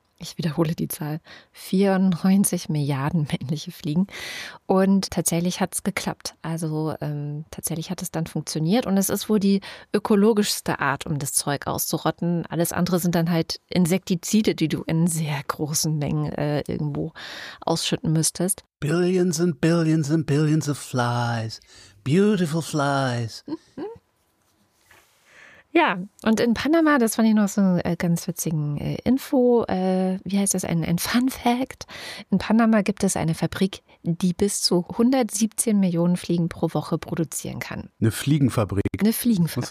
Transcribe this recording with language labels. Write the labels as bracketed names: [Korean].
[German] Ich wiederhole die Zahl, 94 Milliarden männliche Fliegen und tatsächlich hat es geklappt. Also tatsächlich hat es dann funktioniert und es ist wohl die ökologischste Art, um das Zeug auszurotten. Alles andere sind dann halt Insektizide, die du in sehr großen Mengen irgendwo ausschütten müsstest. [English] Billions and billions and billions of flies, beautiful flies. [German] Ja, und in Panama, das fand ich noch so eine ganz witzige Info, wie heißt das, ein Fun Fact. In Panama gibt es eine Fabrik, die bis zu 117 Millionen Fliegen pro Woche produzieren kann. Eine Fliegenfabrik. Eine Fliegenfabrik.